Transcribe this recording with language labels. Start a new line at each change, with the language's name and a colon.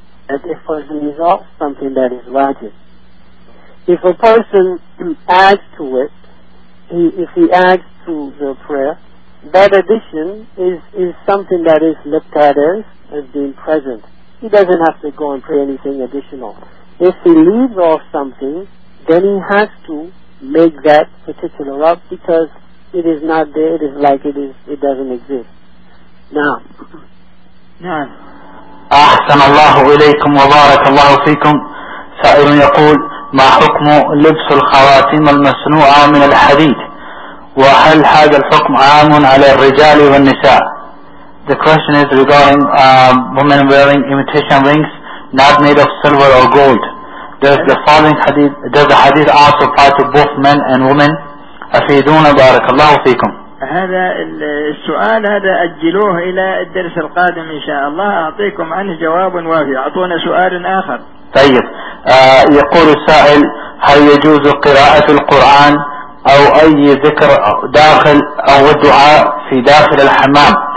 English: And if a person leaves off something that is wajib. If a person adds to it, if he adds to the prayer, that addition is something that is looked at as being present. He doesn't have to go and pray anything additional. If he leaves off something, then he has to make that particular up because it is not there, it is like it is, it doesn't exist. Now.
Arabic: أحسن الله إليكم وبارك الله فيكم. سائر يقول: ما حكم لبس الخواتيم المصنوعة من الحديد؟ وهل هذا الحكم عام على الرجال والنساء؟
English: The question is regarding women wearing imitation rings not made of silver or gold. Does the following hadith, does the hadith also apply to both men and women?
Arabic: أفيدونا بارك الله فيكم. هذا السؤال هذا أجلوه إلى الدرس القادم إن شاء الله، أعطيكم عنه جواب وافي. أعطونا سؤال آخر. طيب، يقول السائل: هل يجوز قراءة القرآن أو أي ذكر داخل أو الدعاء في داخل الحمام؟